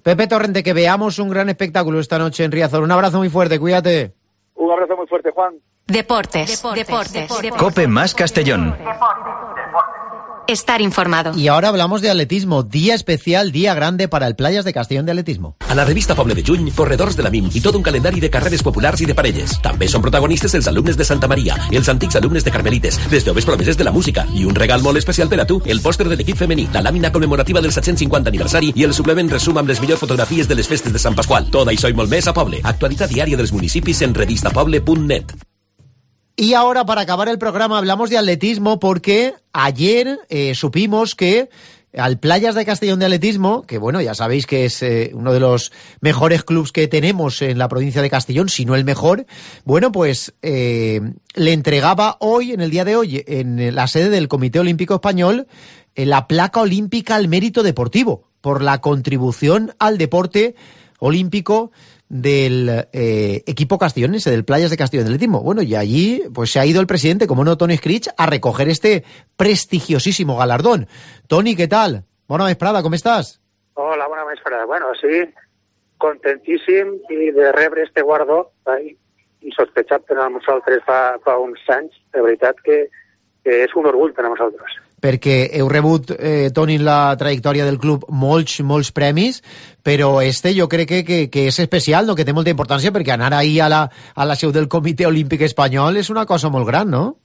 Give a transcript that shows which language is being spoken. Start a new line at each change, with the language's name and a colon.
Spanish: Pepe Torrente, que veamos un gran espectáculo esta noche en Riazor. Un abrazo muy fuerte, cuídate. Un abrazo muy fuerte, Juan. Deportes. COPE más Castellón. Deportes. Estar informado. Y ahora hablamos de atletismo. Día especial, día grande para el Playas de Castellón de atletismo. A la revista Poble de Juny, corredores de la MIM y todo un calendario de carreras populares y de parelles. También son protagonistas
Catalan: els alumnes de Santa María, els antics alumnes de Carmelites, les joves promeses de la música y un regal molt especial per a tu, el póster de l'equip femení, la làmina commemorativa del 750 aniversari y el suplement resum amb les millors fotografies de les festes de Sant Pasqual. Tot això i molt més a Poble. Actualitat diària dels municipis en revistapoble.net.
Spanish: Y ahora, para acabar el programa, hablamos de atletismo, porque ayer supimos que al Playas de Castellón de Atletismo, que bueno, ya sabéis que es uno de los mejores clubes que tenemos en la provincia de Castellón, si no el mejor, bueno, pues le entregaba hoy, en el día de hoy, en la sede del Comité Olímpico Español, la placa olímpica al mérito deportivo, por la contribución al deporte olímpico del equipo castellonense, del Playas de Castellón de Atletismo. Bueno, y allí pues se ha ido el presidente, como no, Toni Escrig, a recoger este prestigiosísimo galardón. Toni, ¿qué tal? Buena vesprada, ¿cómo estás? Hola, buena vesprada.
Catalan: Bueno, sí, contentíssim i de rebre este guardó, insospechat per a nosaltres fa uns anys. De veritat que és un orgull per a nosaltres. perquè heu rebut, Toni, la trajectòria del club, molts, molts premis, però este jo crec que és especial, no? Que té molta importància, perquè anar ahir a la seu del Comitè Olímpic Espanyol és una cosa molt gran, no?